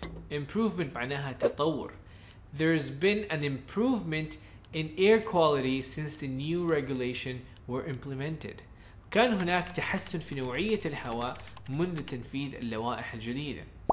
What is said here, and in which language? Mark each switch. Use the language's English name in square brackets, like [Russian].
[Arabic] Improvement معناها تطور. [English] There's been an improvement in air quality since the new regulation were implemented. [Arabic] كان هناك تحسن في نوعية الهواء منذ تنفيذ اللوائح الجديدة.